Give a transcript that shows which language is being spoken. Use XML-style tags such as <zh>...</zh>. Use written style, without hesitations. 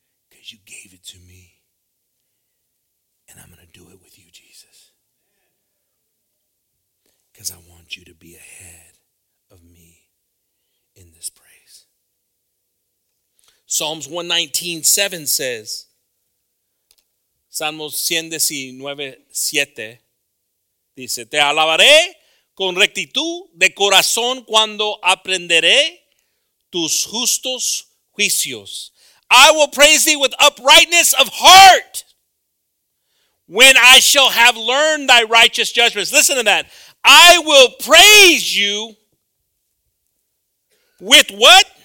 <en>Because you gave it to me. And I'm going to do it with you, Jesus. Because I want you to be ahead of me in this praise. Psalms 119:7 says,</en> <es>Salmos 119:7 dice, te alabaré con rectitud de corazón cuando aprenderé tus justos juicios.</es> <en>I will praise thee with uprightness of heart. When I shall have learned thy righteous judgments. Listen to that. I will praise you with what?</en>